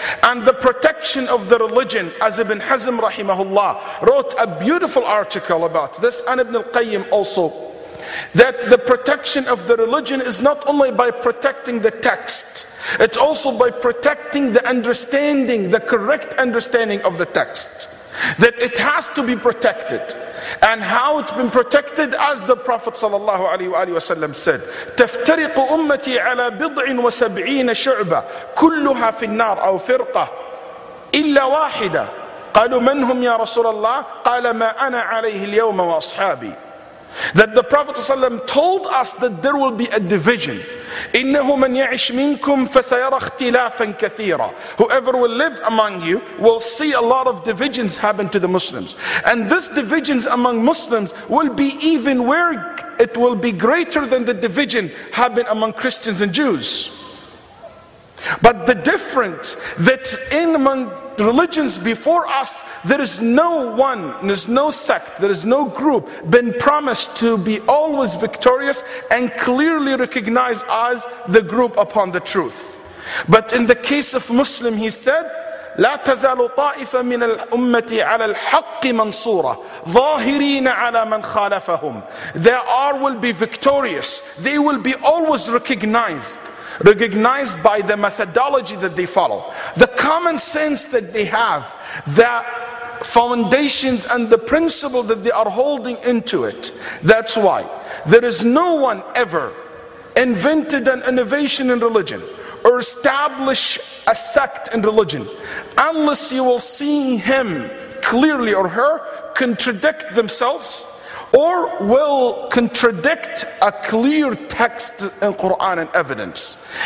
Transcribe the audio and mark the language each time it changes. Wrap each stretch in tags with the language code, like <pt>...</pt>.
<en>And the protection of the religion, as Ibn Hazm rahimahullah wrote a beautiful article about this, and Ibn al-Qayyim also, that the protection of the religion is not only by protecting the text, it's also by protecting the understanding, the correct understanding of the text. That it has to be protected. And how it's been protected, as the Prophet ﷺ said,</en> <ar>تَفْتَرِقُ أُمَّتِي عَلَى بِضْعٍ وَسَبْعِينَ شُعْبًا كُلُّهَا فِي النَّارِ أَوْ فِرْقَةً إِلَّا وَاحِدًا قَالُوا مَنْ هُمْ يَا رَسُولَ اللَّهِ قَالَ مَا أَنَا عَلَيْهِ الْيَوْمَ وَأَصْحَابِي.</ar> <en>That the Prophet ﷺ told us that there will be a division.</en> <ar>إِنَّهُ مَنْ يَعِشْ مِنْكُمْ فَسَيَرَ اخْتِلَافًا كَثِيرًا.</ar> <en>Whoever will live among you will see a lot of divisions happen to the Muslims. And this divisions among Muslims will be even where it will be greater than the division happen among Christians and Jews. But the difference that in among religions before us, there is no one, there is no sect, there is no group been promised to be always victorious and clearly recognized as the group upon the truth. But in the case of Muslim, he said,</en> <ar>لا تزال طائفة من الأمة على الحق منصورة ظاهرين على من خالفهم.</ar> <en>They are will be victorious. They will be always recognized. Recognized by the methodology that they follow, the common sense that they have, the foundations and the principle that they are holding into it. That's why there is no one ever invented an innovation in religion or established a sect in religion unless you will see him clearly or her contradict themselves or will contradict a clear text in Quran and evidence.</en>